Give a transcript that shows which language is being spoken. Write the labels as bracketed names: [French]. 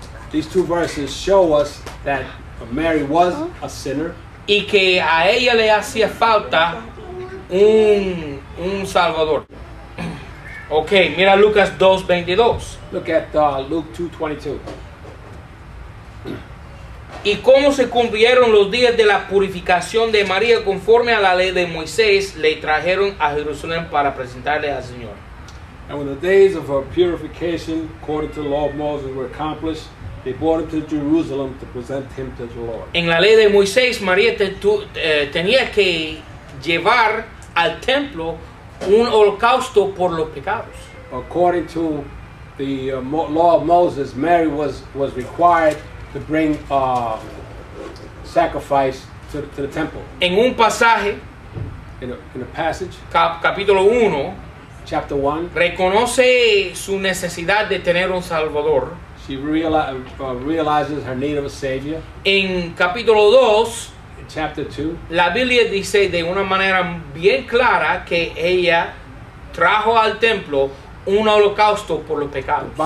[English] These two verses show us that Mary was a sinner. [Spanish] Y que a ella le hacía falta un Salvador. Okay, mira Lucas 2:22. [English] Look at Luke 2:22. [Spanish] Y cómo se cumplieron los días de la purificación de María conforme a la ley de Moisés, le trajeron a Jerusalén para presentarle al Señor. [English] And when the days of her purification, according to the law of Moses, were accomplished, they brought him to Jerusalem to present him to the Lord. [Spanish] En la ley de Moisés, María tenía que llevar al templo un holocausto por los pecados. [English] According to the law of Moses, Mary was required to bring sacrifice to the temple. [Spanish] En un pasaje, [English] in a passage, [Spanish] capítulo 1, [English] chapter 1. [Spanish] Reconoce su necesidad de tener un salvador. [English] She realizes her need of a savior. [Spanish] En capítulo 2, [English] chapter 2, [Spanish] la Biblia dice de una manera bien clara que ella trajo al templo un holocausto por los pecados.